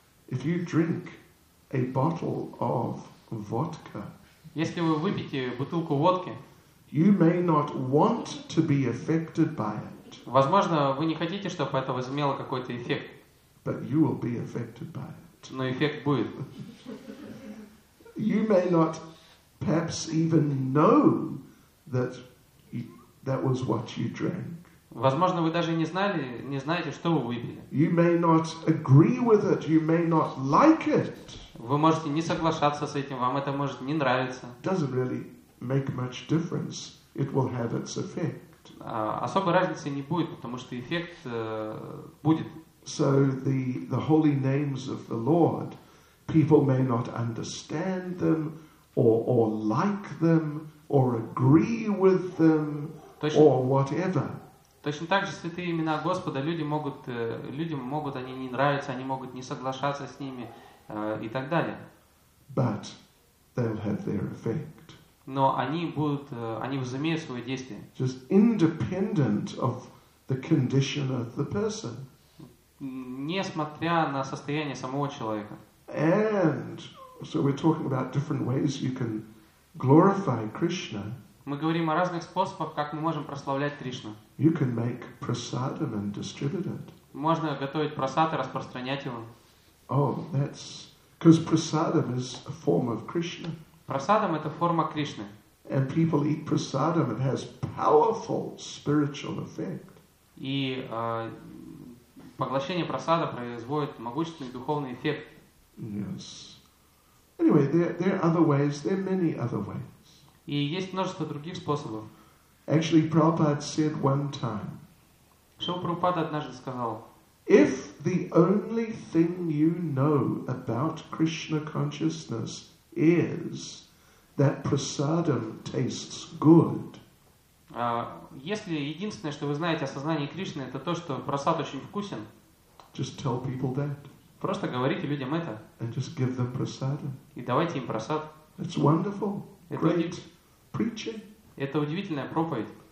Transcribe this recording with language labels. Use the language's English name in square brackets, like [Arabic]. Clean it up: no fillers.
[English] If you drink a bottle of vodka, [Russian] если вы выпьете бутылку водки, [English] you may not want to be affected by it. [Russian] Возможно, вы не хотите, чтобы это возымело какой-то эффект. [English] But you will be affected by it. [Russian] Но эффект будет. [English] You may not perhaps even know that that was what you drank. [Russian] Возможно, вы даже не знаете, что вы выпили. [English] You may not agree with it, you may not like it. [Russian] Вы можете не соглашаться с этим, вам это может не нравиться. [English] Doesn't really make much difference. It will have its effect. [Russian] Особой разницы не будет, потому что эффект будет. [English] So the holy names of the Lord, people may not understand them or like them or agree with them or whatever. [Russian] Точно так же святые имена Господа людям могут они не нравиться, они могут не соглашаться с ними и так далее. [English] But they'll have their effect. [Russian] Но они возымеют свое действие. [English] Just independent of the condition of the person. [Russian] Несмотря на состояние самого человека. [English] And so we're talking about different ways you can glorify Krishna. [Russian] Мы говорим о разных способах, как мы можем прославлять Кришну. [English] You can make prasadam and distribute it. [Russian] Можно готовить прасад и распространять его. [English] Oh, that's because prasadam is a form of Krishna. [Russian] Прасадам это форма Кришны. [English] And people eat prasadam, it has powerful spiritual effect. [Russian] И поглощение прасада производит могущественный духовный эффект. [English] Yes. Anyway, there are other ways. There are many other ways. [Russian] И есть множество других способов. [English] Actually, Prabhupada said one time. [Russian] Шрила Прабхупада однажды сказал. [English] If the only thing you know about Krishna consciousness is that prasadam tastes good. [Russian] Если единственное, что вы знаете о сознании Кришны, это то, что прасад очень вкусен. [English] Just tell people that. [Russian] Просто говорите людям это. [English] And just give them prasadam. [Russian] И давайте им прасад. [English] It's wonderful. Great. Preaching. [Russian] Это удивительная проповедь.